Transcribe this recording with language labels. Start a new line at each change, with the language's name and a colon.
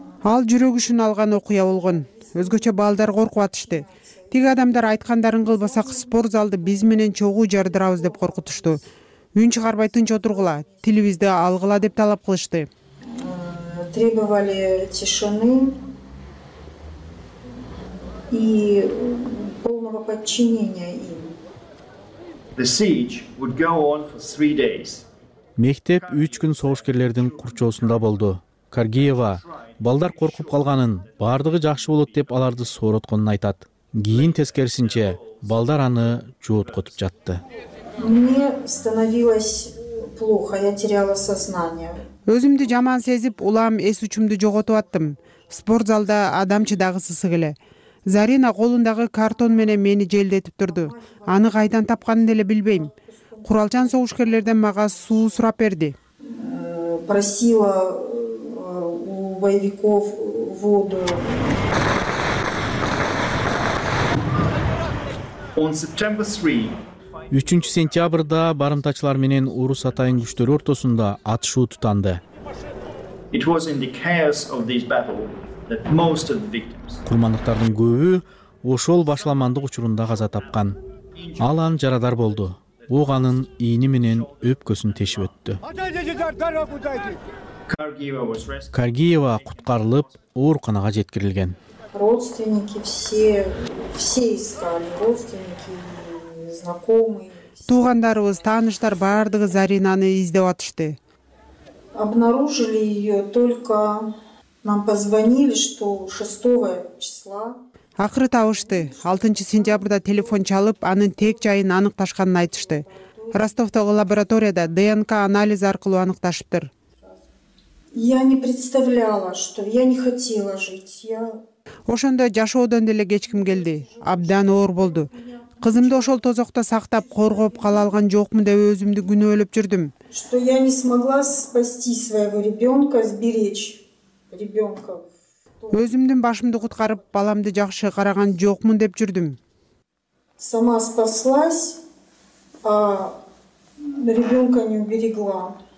Kyrgyz: Ал жүрөк үшін алған оқуя болгон. Өзгөчө балдар коркуп атышты. Тиги адамдар айткандарын кылбасак, спорт залды биз менен чогуу жардырабыз деп коркутушту. Үн чыгарбай тынч отургула, тилибизди алгыла деп талап кылышты.
Russian: Требовали тишины. и полного подчинения им.
English: The siege would go on for 3 days.
Kyrgyz: Мектеп 3 күн согушкерлердин курчоосунда болду. Каргиева балдар коркуп калганын, бардыгы жакшы болот деп аларды сооротконун айтат. Кийин тескерисинче балдар аны жооткотуп жатты.
Russian: Мне становилось плохо, я теряла сознание.
Kyrgyz: Өзүмдү жаман сезип, улам эс учумду жоготуп аттым. Спорт залда адам чыдагысыз эле. Зарина колундагы картон менен мени желдетип турду. Аны кайдан тапканын деле билбейм. Куралчан согушкерлерден мага суу сурап берди.
Russian: Просила у боевиков воду.
English: On September 3.
Kyrgyz: 3 сентябрда барымтачылар менен орус атайын күчтөрү ортосунда атышуу тутанды.
English: It was in the chaos of this battle that most of the victims.
Kyrgyz: Курмандыктардын көбү ошол башламандык учурунда каза тапкан. Алан жарадар болду. Ууганын ийни менен өпкөсүн тешип өттү. Каргиева куткарылып, ооруканага жеткирилген.
Russian: Родственники все искали, родственники, знакомые.
Kyrgyz: Туугандарыбыз, тааныштар бардыгы Заринаны издеп атышты.
Russian: Обнаружили её только нам позвонили, что 6-го числа.
Kyrgyz: Акыры табышты. 6 сентябрда телефон чалып, анын тек жайын аныкташканын айтышты. Ростовтогу лабораторияда ДНК анализ аркылуу аныкташыптыр.
Russian: Я не представляла, что я не хотела жить. Я
Kyrgyz: ошондо жашоодон деле кечким келди. Абдан оор болду. Кызымды ошол тозокто сактап, коргоп кала алган жокмун деп өзүмдү күнөөлөп жүрдүм.
Russian: Что я не смогла спасти своего ребёнка, сберечь ребёнка.
Kyrgyz: Өзүмдүн башымды куткарып, баламды жакшы караган жокмун деп жүрдүм.
Russian: Сама спаслась, а ребёнка не уберегла.